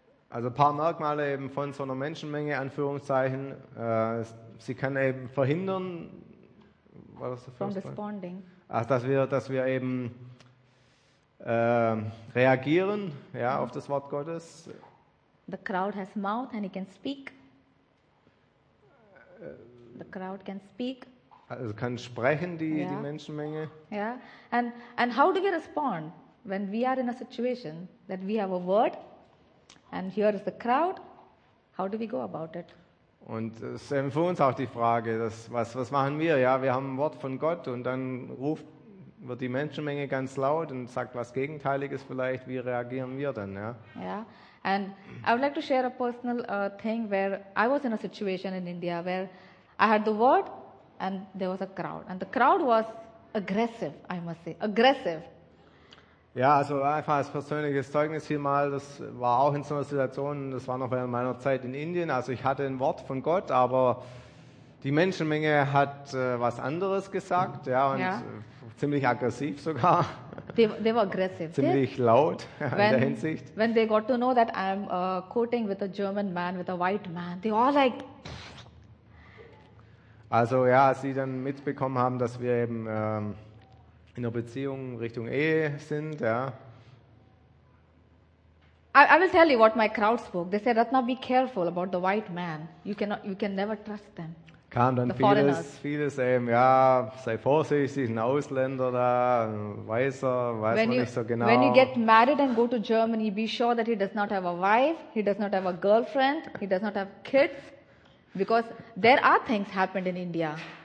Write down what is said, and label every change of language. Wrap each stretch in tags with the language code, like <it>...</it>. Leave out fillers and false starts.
<de>Also ein paar Merkmale eben von so einer Menschenmenge, Anführungszeichen. Sie kann eben verhindern,</de> <en>from responding.</en> <de>Ach, dass wir eben reagieren, ja, auf das Wort Gottes.</de> <en>The crowd has mouth and he can speak. The crowd can speak.</en> <de>Also kann sprechen die Menschenmenge. Yeah.</de> <en>And how do we respond when we are in a situation that we have a word? And here is the crowd. How do we go about it?</en> <de>Und es ist für uns auch die Frage, was machen wir? Ja, wir haben ein Wort von Gott und dann wird die Menschenmenge ganz laut und sagt was Gegenteiliges vielleicht. Wie reagieren wir dann? Ja. Yeah.</de> <en>And I would like to share a personal thing where I was in a situation in India where I had the word and there was a crowd and the crowd was aggressive. I must say aggressive.</en> <de>Ja, also einfach als persönliches Zeugnis hier mal, das war auch in so einer Situation, das war noch während meiner Zeit in Indien, also ich hatte ein Wort von Gott, aber die Menschenmenge hat was anderes gesagt, ja, und ziemlich aggressiv sogar.</de> <en>They were aggressive.</en> <de>Ziemlich laut in der Hinsicht.</de> <en>When they got to know that I'm quoting with a German man, with a white man, they all like...</en> <de>Also ja, sie dann mitbekommen haben, dass wir eben in der Beziehung Richtung Ehe sind, ja.</de> <en>I will tell you what my crowd spoke. They said, Ratna, be careful about the white man. You can never trust them.</en> <de>Kam dann vieles eben, ja, sei vorsichtig, ein Ausländer da, ein Weißer, weiß man nicht so genau.</de> <en>When you get married and go to Germany, be sure that he does not have a wife, he does not have a girlfriend, he does not have kids, because there are things happened in India.</en>